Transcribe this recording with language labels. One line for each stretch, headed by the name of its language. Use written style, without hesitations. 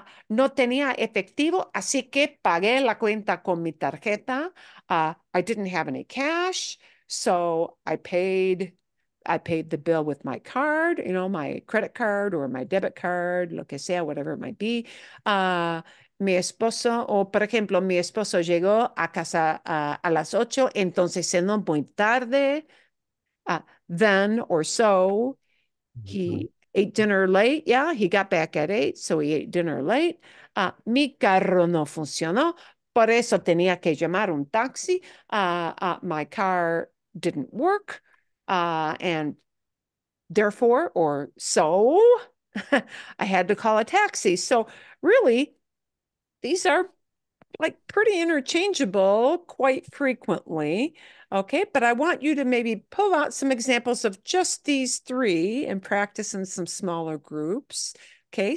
Spanish: No tenía efectivo, así que pagué la cuenta con mi tarjeta.
English: I didn't have any cash, so I paid the bill with my card, you know, my credit card or my debit card,
Spanish: lo que sea,
English: whatever it might be.
Spanish: Mi esposo, o por ejemplo, mi esposo llegó a casa a las 8, entonces cenó muy tarde.
English: Then or so, he ate dinner late. Yeah, he got back at 8, so he ate dinner late.
Spanish: Mi carro no funcionó, por eso tenía que llamar un taxi.
English: My car didn't work. And therefore, or so, I had to call a taxi. So really, these are like pretty interchangeable quite frequently, okay? But I want you to maybe pull out some examples of just these three and practice in some smaller groups, okay?